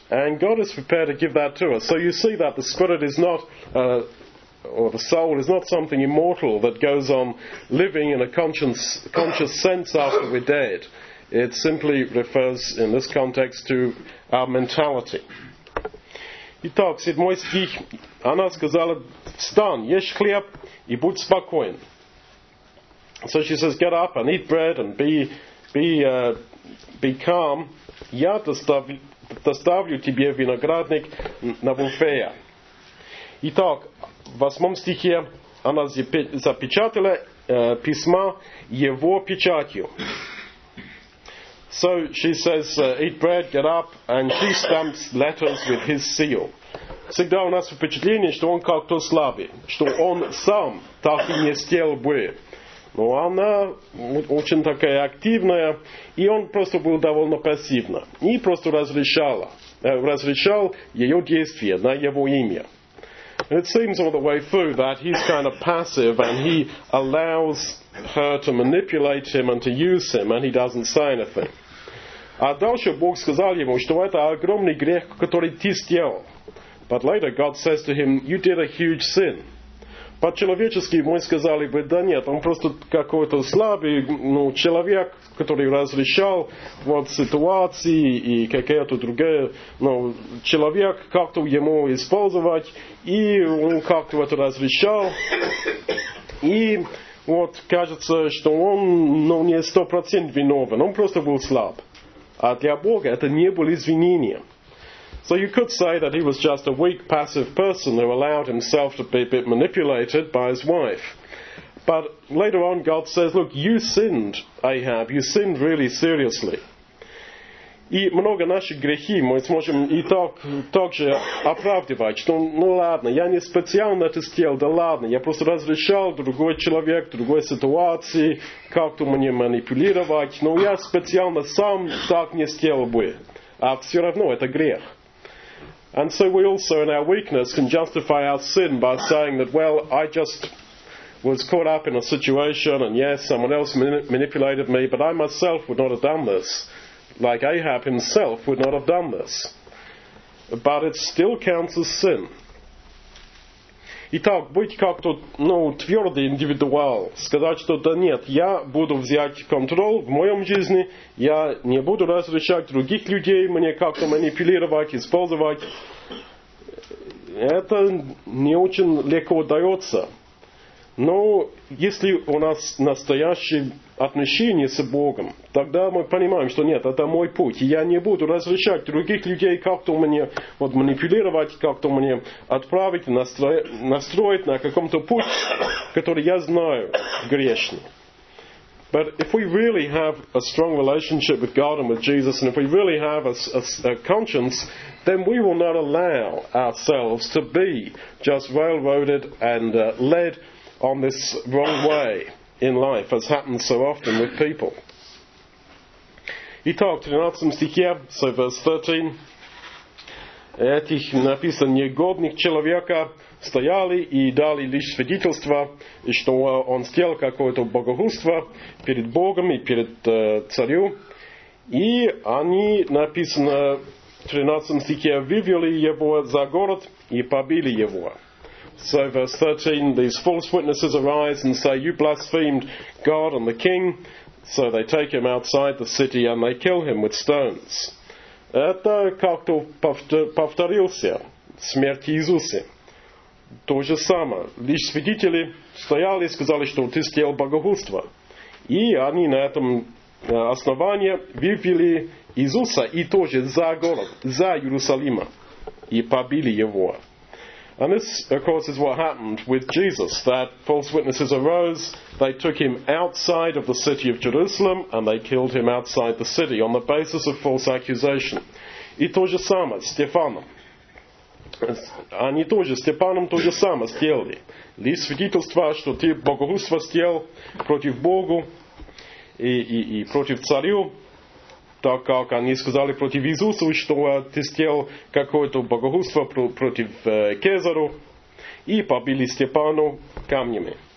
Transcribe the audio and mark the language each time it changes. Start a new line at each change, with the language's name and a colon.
English: And God is prepared to give that to us. So you see that the spirit is not, or the soul is not something immortal that goes on living in a conscious sense after we're dead. It simply refers, in this context, to our mentality.
Russian: Итак, седьмой стих. Она сказала, встань, ешь хлеб и будь спокоен.
English: So she says, get up and eat bread and be calm.
Russian: Я доставлю тебе виноградник на буфея. Итак, в восьмом стихе она запечатала письма его печатью.
English: So she says, eat bread, get up, and she stamps letters with his seal.
Russian: Всегда у нас впечатление, что он как-то слабый, что он сам так и не съел бы. Но она очень такая активная, и он просто был довольно пассивно. И просто разрешал ее действия на его имя.
English: And it seems all the way through that he's kind of passive, and he allows her to manipulate him and to use him, and he doesn't say anything.
Russian: А дальше Бог сказал ему, что это огромный грех, который ты сделал.
English: But later God says to him, you did a huge sin.
Russian: По-человечески мы сказали бы, да нет, он просто какой-то слабый человек, который разрешал ситуации и какие-то другие, человек как-то ему использовать, и он как-то это разрешал. И кажется, что он не 100% виновен, он просто был слаб. А для Бога это не было извинением.
English: So you could say that he was just a weak, passive person who allowed himself to be a bit manipulated by his wife. But later on, God says, look, you sinned, Ahab. You sinned really seriously.
Russian: И много наших грехи мы сможем и так же оправдывать, что ну ладно, я не специально это сделал, да ладно, я просто разрешал другой человек, другой ситуации как-то мне манипулировать, но я специально сам так не сделал бы. А все равно это грех.
English: And so we also in our weakness can justify our sin by saying that, well, I just was caught up in a situation and yes, someone else manipulated me, but I myself would not have done this. Like Ahab himself would not have done this. But it still counts as sin.
Russian: Итак, быть как-то, ну, твердый индивидуал, сказать, что да нет, я буду взять контроль в моем жизни, я не буду разрешать других людей мне как-то манипулировать, использовать. Это не очень легко удается. Но если у нас настоящие отношения с Богом, тогда мы понимаем, что нет, это мой путь. Я не буду разрешать других людей как-то мне вот, манипулировать, как-то мне отправить, настроить на каком-то путь, который я знаю грешный.
English: But if we really have a strong relationship with God and with Jesus, and if we really have a conscience, then we will not allow ourselves to be just railroaded and led on this wrong way in life, as happens so often with people.
Russian: Итак, 13 стихе,
English: so verse 13.
Russian: Этих написано, негодных человека стояли и дали лишь свидетельство, и что он сделал какое-то богохульство перед Богом и перед царю. И они, написано в 13 стихе, вывели его за город и побили его.
English: So verse 13, these false witnesses arise and say, you blasphemed God and the king. So they take him outside the city and they kill him with stones.
Russian: Это как-то повторился смерть Иисуса. То же самое. Лишь свидетели стояли и сказали, что ты сделал богохульство. И они на этом основании вывели Иисуса и тоже за город, за Иерусалима. И побили его.
English: And this, of course, is what happened with Jesus, that false witnesses arose, they took him outside of the city of Jerusalem, and they killed him outside the city on the basis of false accusation.
Russian: И то же самое, Стефаном. Они тоже, Стефаном то же самое сделали. Лишь свидетельство, что ты богохульство сделал против Богу и против царю, так как они сказали против Иисуса, что ты сделал какое-то богохульство против Кесару, и побили Стефана камнями.